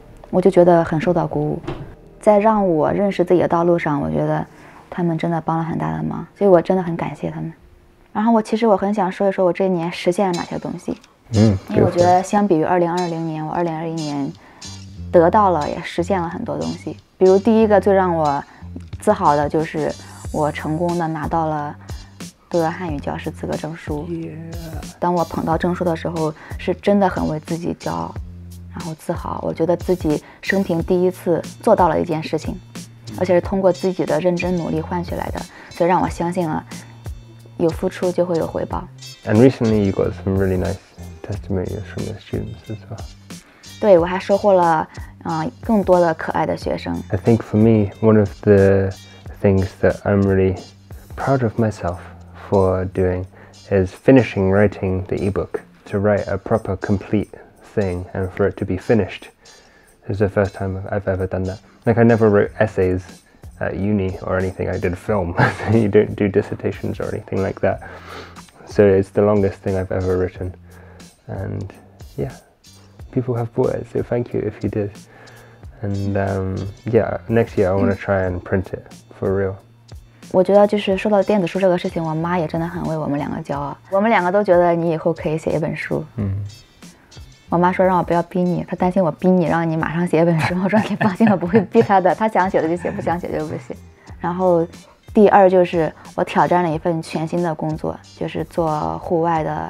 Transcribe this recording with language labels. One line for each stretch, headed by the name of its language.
Chinese: 我就觉得很受到鼓舞在让我认识自己的道路上我觉得他们真的帮了很大的忙所以我真的很感谢他们然后我其实我很想说一说我这一年实现了哪些东西因为我觉得相比于2020年我2021年得到了也实现了很多东西比如第一个最让我自豪的就是我成功的拿到了德汉语教师资格证书当我捧到证书的时候是真的很为自己骄傲然后自豪我觉得自己生平第一次做到了一件事情而且是通过自己的认真努力换取来的所以让我相信了有付出就会有回报
English: And recently you got some really nice testimonies from your students as well
Chinese: 对我还收获了更多的可爱的学生
English: I think for me one of the things that I'm really proud of myself for doing is finishing writing the ebook to write a proper complete thing and for it to be finished is the first time I've ever done that like I never wrote essaysat uni or anything, I did film, you don't do dissertations or anything like that. So it's the longest thing I've ever written. And yeah, people have bought it, so thank you if you did. And yeah, next year I want to try and print it for real.
Chinese: 我觉得就是说到电子书这个事情，我妈也真的很为我们两个骄傲。我们两个都觉得你以后可以写一本书。我妈说让我不要逼你她担心我逼你让你马上写一本书我说你放心我不会逼她的她想写的就写不想写就不写然后第二就是我挑战了一份全新的工作就是做户外